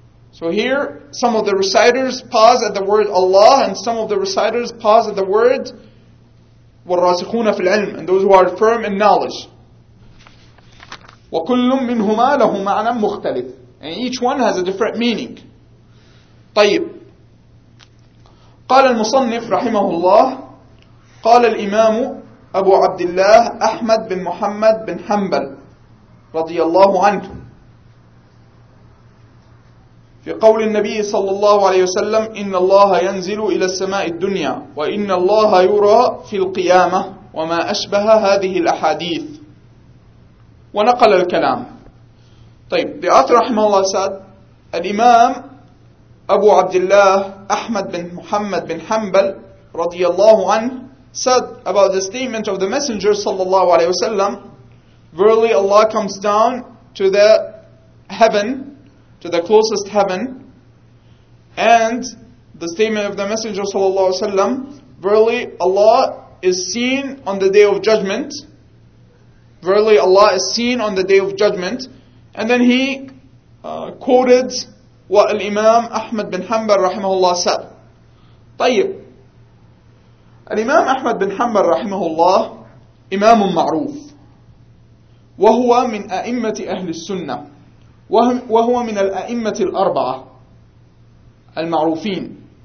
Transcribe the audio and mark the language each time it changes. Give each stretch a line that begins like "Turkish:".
English: So here, some of the reciters pause at the word Allah and some of the reciters pause at the word
Arabic: وَالرَّاسِخُونَ فِي الْعِلْمِ
English: and those who are firm in knowledge.
Arabic: وَكُلُّمْ مِنْهُمَا لَهُ مَعْنًا مُخْتَلِفٍ
English: and each one has a different meaning.
Arabic: طيب قال المصنف رحمه الله قال الإمام أبو عبد الله أحمد بن محمد بن حنبل رضي الله عنه في قول النبي صلى الله عليه وسلم إن الله ينزل إلى السماء الدنيا وإن الله يرى في القيامة وما أشبه هذه الأحاديث ونقل الكلام. طيب بعث رحمه الله سعد الإمام أبو عبد الله أحمد بن محمد بن حنبل رضي الله عنه
English: said about the statement of the messenger
Arabic: صلى الله عليه وسلم
English: verily Allah comes down to the heaven to the closest heaven and the statement of the messenger صلى الله عليه وسلم verily Allah is seen on the day of judgment verily Allah is seen on the day of judgment and then he quoted what al-imam Ahmad bin Hanbal rahimahullah said.
Arabic: طيب الإمام أحمد بن حنبل رحمه الله إمام معروف وهو من أئمة أهل السنة وهو من الأئمة الأربعة المعروفين.